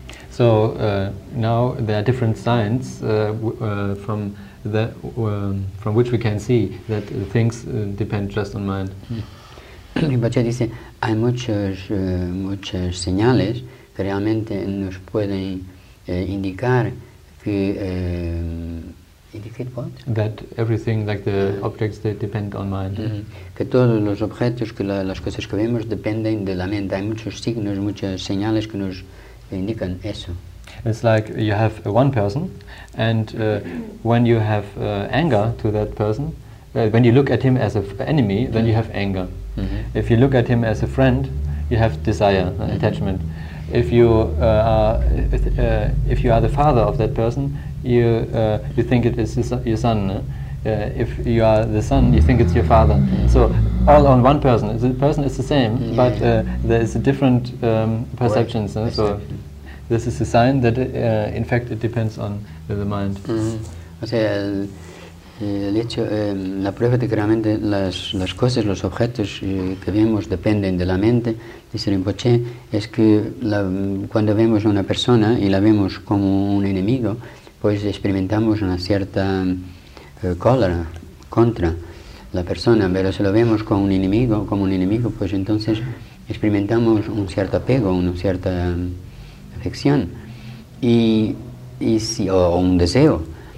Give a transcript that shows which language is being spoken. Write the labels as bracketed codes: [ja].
[en] So now there are different signs from which we can see that things depend just on mind. [es] Rinpoche dice, hay muchas señales que realmente nos pueden indicar que [en] indicate what? That everything, like the objects, they depend on mind. Mm-hmm. [es] Que todos los objetos, que las cosas que vemos dependen de la mente. Hay muchos signos, muchas señales que nos indican eso. [en] It's like you have one person, and when you have anger to that person, when you look at him as an enemy, then mm-hmm. you have anger. Mm-hmm. If you look at him as a friend, you have desire, mm-hmm. attachment. If you are the father of that person, you think it is your son. If you are the son, you think it's your father. Mm-hmm. So all on one person. The person is the same, mm-hmm. but there is a different perception. So this is a sign that in fact it depends on the mind. Mm-hmm. [es] O sea, el hecho, la prueba de que realmente las cosas, los objetos que vemos dependen de la mente, dice Rinpoche, es que cuando vemos a una persona y la vemos como un enemigo, pues experimentamos una cierta cólera contra la persona, pero si lo vemos como un enemigo, pues entonces experimentamos un cierto apego, una cierta afección o un deseo.